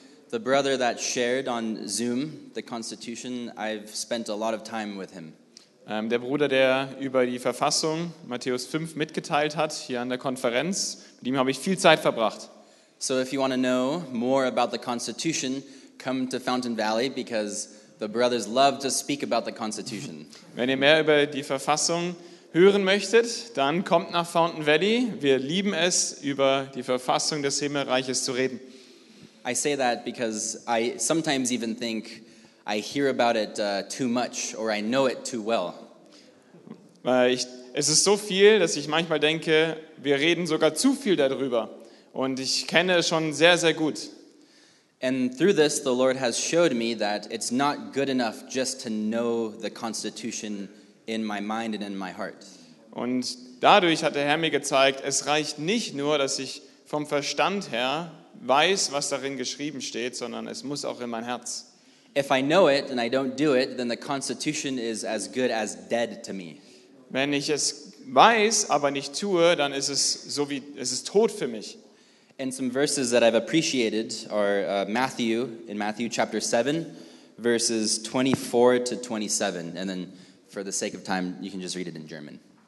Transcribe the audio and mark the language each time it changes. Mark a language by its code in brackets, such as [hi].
[en] The brother that shared on Zoom the Constitution, I've spent a lot of time with him. [de] Der Bruder, der über die Verfassung Matthäus 5 mitgeteilt hat hier an der Konferenz, mit ihm habe ich viel Zeit verbracht. [en] So if you want to know more about the Constitution, come to Fountain Valley because the brothers love to speak about the Constitution. [de] Wenn ihr mehr über die Verfassung hören möchtet, dann kommt nach Fountain Valley. Wir lieben es, über die Verfassung des Himmelreiches zu reden. [en] I say that because I sometimes even think I hear about it too much or I know it too well. [de] Es ist so viel, dass ich manchmal denke, wir reden sogar zu viel darüber. Und ich kenne es schon sehr, sehr gut. [en] And through this, the Lord has showed me that it's not good enough just to know the Constitution in my mind and in my heart. [de] Und dadurch hat der Herr mir gezeigt, es reicht nicht nur, dass ich vom Verstand her weiß, was darin geschrieben steht, sondern es muss auch in mein Herz. [en] If I know it and I don't do it, then the Constitution is as good as dead to me. [de] Wenn ich es weiß, aber nicht tue, dann ist es so wie es ist tot für mich. [en] And some verses that I've appreciated are Matthew in Matthew chapter 7, verses 24 to 27, and then for the sake of time, you can just read it in German.